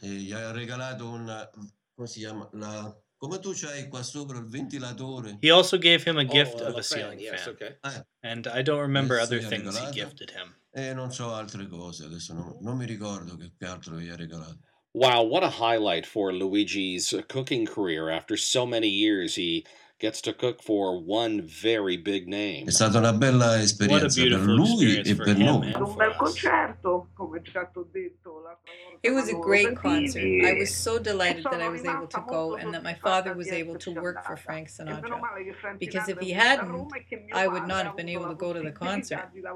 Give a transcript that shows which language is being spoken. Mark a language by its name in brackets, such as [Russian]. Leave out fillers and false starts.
[Italian] E gli ha regalato una, come si chiama, la... Come tu c'hai qua sopra il ventilatore? [English] He also gave him a gift of a ceiling fan. Okay. And I don't remember other things he gifted him. [Italian] E non so altre cose, adesso non mi ricordo che altro gli ha regalato. [English] Wow, what a highlight for Luigi's cooking career. After so many years, he gets to cook for one very big name. [Italian] È stata una bella esperienza per lui e per noi. Un bel concerto, come già t'ho detto. [English] It was a great concert. I was so delighted that I was able to go and that my father was able to work for Frank Sinatra. Because if he hadn't, I would not have been able to go to the concert.